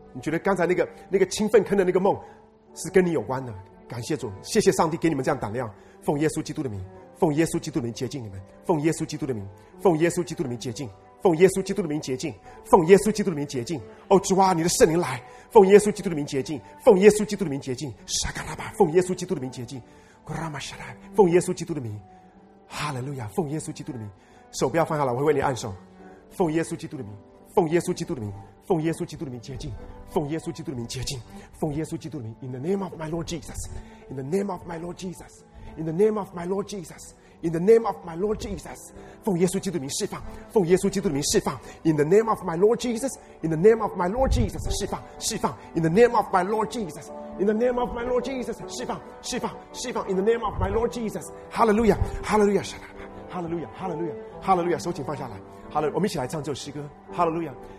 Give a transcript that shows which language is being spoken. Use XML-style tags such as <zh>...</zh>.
<zh>你觉得刚才那个清粪坑的那个梦是跟你有关的，感谢主，谢谢上帝给你们这样胆量，奉耶稣基督的名，奉耶稣基督的名洁净你们，奉耶稣基督的名，奉耶稣基督的名洁净，奉耶稣基督的名洁净，奉耶稣基督的名洁净。哦，主啊，你的圣灵来，奉耶稣基督的名洁净，奉耶稣基督的名洁净。沙卡拉巴，奉耶稣基督的名洁净。奉耶稣基督的名，哈利路亚，奉耶稣基督的名。手不要放下来，我会为你按手。奉耶稣基督的名，奉耶稣基督的名，奉耶稣基督的名洁净，奉耶稣基督的名洁净，奉耶稣基督的名。</zh> <en>In the name of my Lord Jesus, in the name of my Lord Jesus, in the name of my Lord Jesus. In the name of my Lord Jesus,</en> <zh>奉耶稣基督的名释放，奉耶稣基督的名释放。</zh> <en>In the name of my Lord Jesus, in the name of my Lord Jesus,</en> <zh>释放，释放。</zh> <en>In the name of my Lord Jesus, in the name of my Lord Jesus,</en> <zh>释放，释放，释放。</zh> <en>In the name of my Lord Jesus, Hallelujah, Hallelujah, Hallelujah, Hallelujah, Hallelujah.</en> <zh>手请放下来，好了，我们一起来唱这首诗歌 ，Hallelujah。</zh>